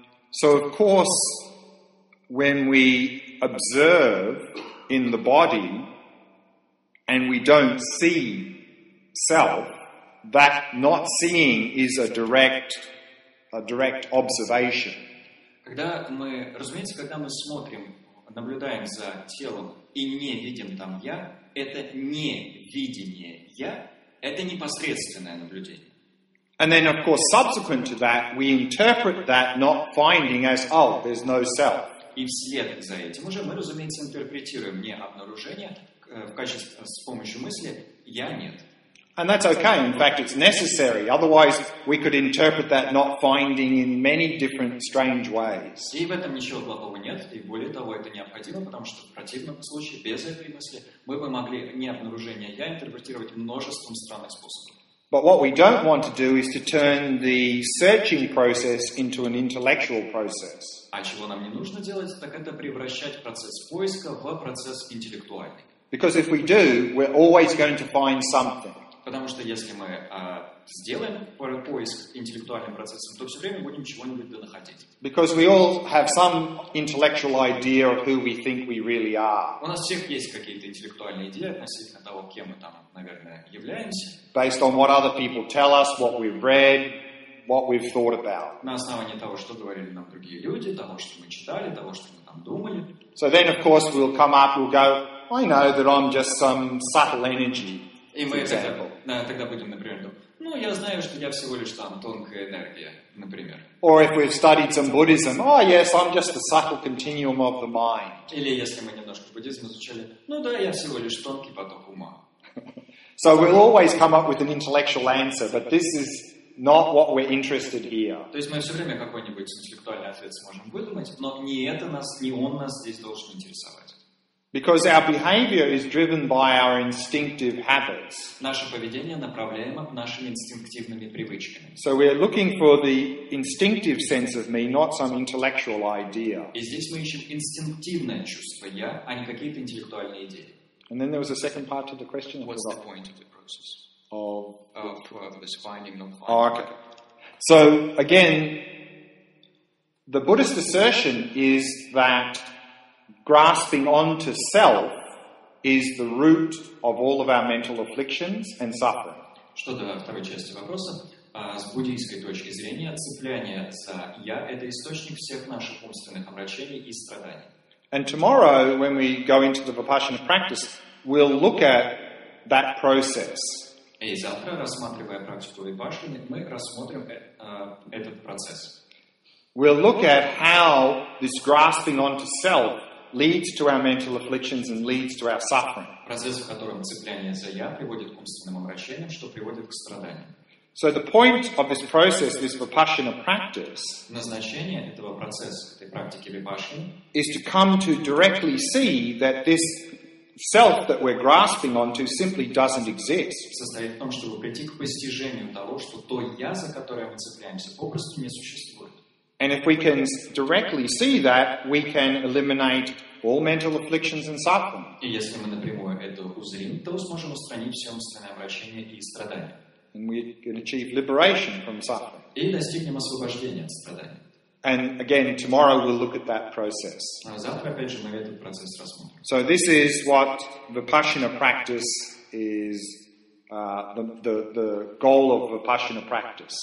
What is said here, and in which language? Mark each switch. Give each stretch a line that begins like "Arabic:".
English: So, of course, when we observe in the body and we don't see self, that not seeing is a direct observation.
Russian: Когда мы смотрим, наблюдаем за телом, и не видим там я, это не видение я, это непосредственное наблюдение.
English: And then, of course, subsequent to that, we interpret that not finding as, oh, there's no self.
Russian: И вслед за этим уже мы, разумеется, интерпретируем не обнаружение в качестве, с помощью мысли «я нет».
English: And that's okay. In fact, it's necessary. Otherwise, we could interpret that not finding in many different strange ways.
Russian: И в этом ничего плохого нет. И более того, это необходимо, потому что в противном случае, без этой мысли, мы бы могли не обнаружение «я» интерпретировать множеством странных способов.
English: But what we don't want to do is to turn the searching process into an intellectual process.
Russian: А чего нам не нужно делать, так это превращать процесс поиска в процесс интеллектуальный.
English: Because if we do, we're always going to find something.
Russian: Потому что если мы сделаем поиск интеллектуальным процессом, то все время будем чего-нибудь донаходить.
English: Because we all have some intellectual idea of who we think we really are.
Russian: У нас всех есть какие-то интеллектуальные идеи относительно того, кем мы там, наверное, являемся.
English: Based on what other people tell us, what we've read, what we've thought about.
Russian: На основании того, что говорили нам другие люди, того, что мы читали, того, что мы там думали.
English: So then, of course, we'll come up, we'll go, I know that I'm just some subtle energy.
Russian: И мы тогда будем, например, думать, ну, я знаю, что я всего лишь там тонкая энергия, например.
English: Or if we've studied some Buddhism, oh yes, I'm just the subtle continuum of the mind.
Russian: Или если мы немножко буддизм изучали, ну да, я всего лишь тонкий поток ума.
English: So we'll always come up with an intellectual answer, but this is not what we're interested here.
Russian: То есть мы все время какой-нибудь интеллектуальный ответ сможем выдумать, но не это нас, не он нас здесь должен интересовать.
English: Because our behavior is driven by our instinctive habits.
Russian: Наше поведение направляемо нашими инстинктивными привычками.
English: So we're looking for the instinctive sense of me, not some intellectual idea.
Russian: И здесь мы ищем инстинктивное чувство я, а не какие-то интеллектуальные идеи.
English: And then there was a second part to the question. What's the point of the process? Of this finding of mind. Okay. So again, the Buddhist assertion is that grasping onto self is the root of all of our mental afflictions and suffering.
Russian: Что до второй части вопроса, с буддийской точки зрения, цепляние за я — это источник всех наших умственных омрачений и страданий.
English: And tomorrow, when we go into the Vipassana practice, we'll look at that process.
Russian: И завтра, рассматривая практику Випассаны, мы рассмотрим этот процесс.
English: We'll look at how this grasping onto self leads to our mental afflictions and leads to our suffering.
Russian: Процесс, в котором цепляние за я приводит к умственным омрачениям, что приводит к страданиям.
English: So the point of this process, this Vipassana practice,
Russian: назначение этого процесса, этой практики Vipassana,
English: is to come to directly see that this self that we're grasping onto simply doesn't exist.
Russian: Состоит в том, чтобы прийти к постижению того, что то я, за которое мы цепляемся, попросту не существует.
English: And if we can directly see that, we can eliminate all mental afflictions and suffering.
Russian: И если мы напрямую это узрим, то сможем устранить все умственные омрачения и страдания.
English: And we can achieve liberation from suffering.
Russian: И достигнем освобождения от страданий.
English: And again, tomorrow we'll look at that process.
Russian: Завтра опять же мы этот процесс рассмотрим.
English: So this is what Vipassana practice is, the goal of Vipassana practice.